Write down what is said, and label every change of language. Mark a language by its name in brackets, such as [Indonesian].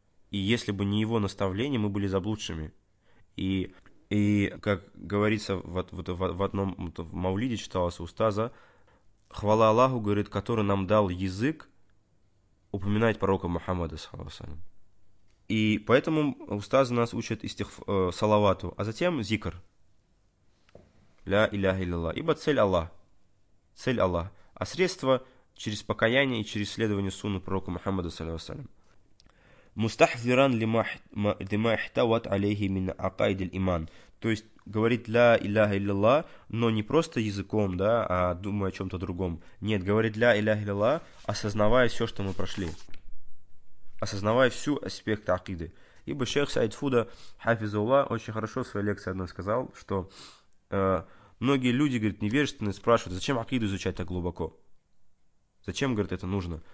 [Russian] И если бы не его наставление, мы были заблудшими. И как говорится в одном в Маулиде читалось устаза, хвала Аллаху, говорит, который нам дал язык упоминать пророка Мухаммада, саллаллаху алейхи ва саллям. И поэтому устазы нас учат салавату, а затем зикр. Ля иляха илляллах. Ибо цель Аллах. Цель Аллах. А средства через покаяние и через следование сунны пророка Мухаммада, саллаллаху алейхи ва саллям. [Arabic] مستحذرا لما احتوت عليه من عقائد الإيمان. [Russian] То есть говорит ля иляха илляллах, но не просто языком, да, а думая о чем-то другом. Нет, говорит ля иляха илляллах, осознавая все, что мы прошли, осознавая всю аспект акиды. Ибо шейх Саид Фуда хафизуллах очень хорошо в своей лекции одной сказал, что многие люди, говорит, невежественные, спрашивают, зачем акиду изучать так глубоко. Зачем, говорит, это нужно?